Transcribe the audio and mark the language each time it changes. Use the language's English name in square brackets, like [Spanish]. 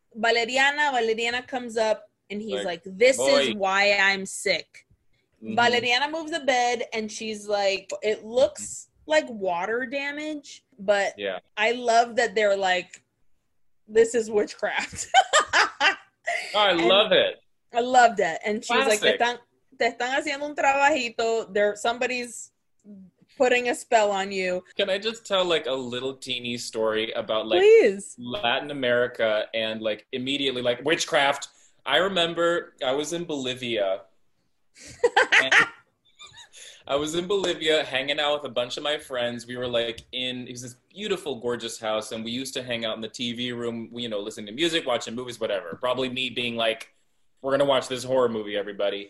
[English] Valeriana comes up and he's like this boy. Is why I'm sick. Mm-hmm. Valeriana moves the bed and she's like, it looks like water damage. But yeah. I love that they're like, this is witchcraft. I love it. I love that. [Spanish] And she's like, te están haciendo un trabajito. [English] Somebody's putting a spell on you. Can I just tell like a little teeny story about like Please. Latin America and like immediately like witchcraft? I remember I was in Bolivia. I was in Bolivia hanging out with a bunch of my friends. We were like it was this beautiful, gorgeous house, and we used to hang out in the TV room, you know, listening to music, watching movies, whatever. Probably me being like, we're gonna watch this horror movie, everybody.